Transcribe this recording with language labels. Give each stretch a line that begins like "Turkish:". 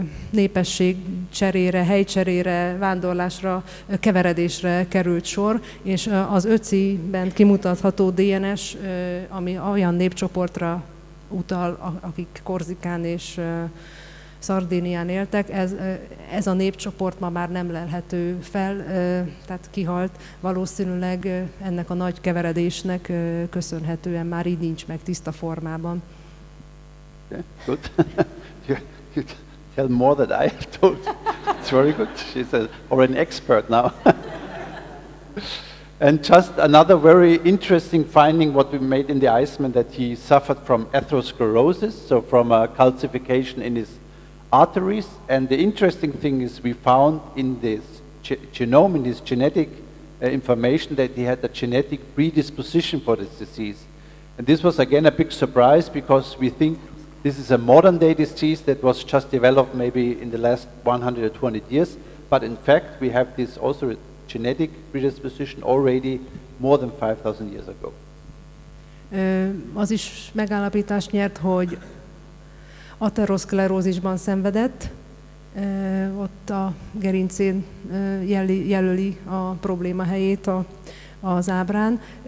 Hungarian: népesség cserére, helycserére, vándorlásra, keveredésre került sor, és az Ötziben kimutatható DNS, ami olyan népcsoportra utal, akik Korzikán és Szardínián éltek, ez a népcsoport ma már nem lelhető fel, tehát kihalt, valószínűleg ennek a nagy keveredésnek köszönhetően már így nincs meg tiszta formában.
English: Yeah, good. you tell more than I have told. It's very good. She's already an expert now. And just another very interesting finding what we made in the Iceman, that he suffered from atherosclerosis, so from a calcification in his arteries, and the interesting thing is we found in this genome, in his genetic information, that he had a genetic predisposition for this disease. And this was again a big surprise, because we think this is a modern day disease that was just developed maybe in the last 100 or 200 years, but in fact we have this also genetic predisposition already more than 5,000 years ago.
Hungarian: Az is megállapítást nyert, hogy aterosklerózisban szenvedett, ott a gerincén jelöli a probléma helyét az ábrán.